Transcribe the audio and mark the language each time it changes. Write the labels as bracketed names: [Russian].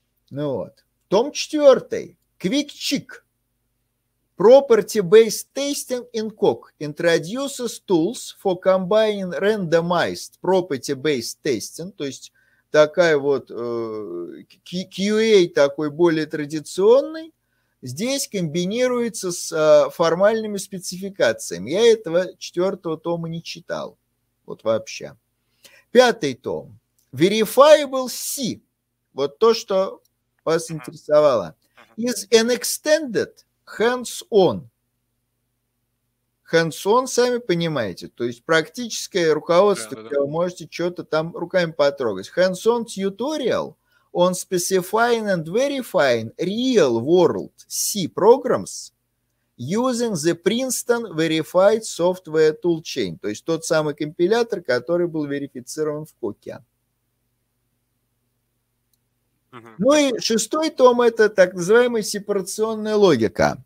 [Russian] Ну вот. Том 4. [English] Quick Check. Property-based testing in Coq introduces tools for combining randomized property-based testing, [Russian] то есть такая вот QA такой более традиционный, здесь комбинируется с формальными спецификациями. Я этого четвертого тома не читал, вот вообще. Пятый том. [English] Verifiable C, [Russian] вот то, что вас интересовало, [English] is an extended hands-on. [Russian] Hands-on, сами понимаете, то есть практическое руководство, да, да, да. Вы можете что-то там руками потрогать. [English] Hands-on tutorial on specifying and verifying real-world C programs using the Princeton Verified Software Toolchain, [Russian] то есть тот самый компилятор, который был верифицирован в Coq. Ну и шестой том – это так называемая сепарационная логика.